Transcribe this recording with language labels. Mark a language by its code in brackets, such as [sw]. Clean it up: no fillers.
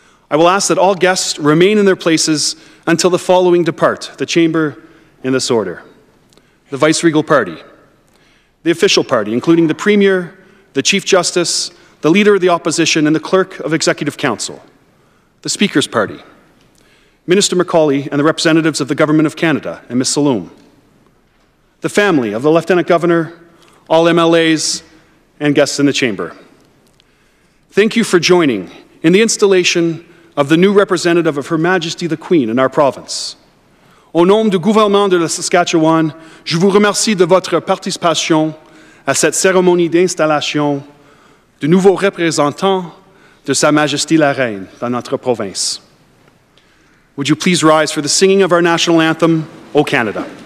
[en] I will ask that all guests remain in their places until the following depart the chamber in this order: the Viceregal Party, the Official Party, including the Premier, the Chief Justice, the Leader of the Opposition, and the Clerk of Executive Council, the Speaker's Party, Minister Macaulay and the representatives of the Government of Canada and Ms. Saloom, the family of the Lieutenant Governor, all MLAs, and guests in the chamber. Thank you for joining in the installation of the new representative of Her Majesty the Queen in our province. [fr] Au nom du gouvernement de la Saskatchewan, je vous remercie de votre participation à cette cérémonie d'installation du nouveau représentant de Sa Majesté la Reine dans notre province. [en] Would you please rise for the singing of our national anthem, O Canada?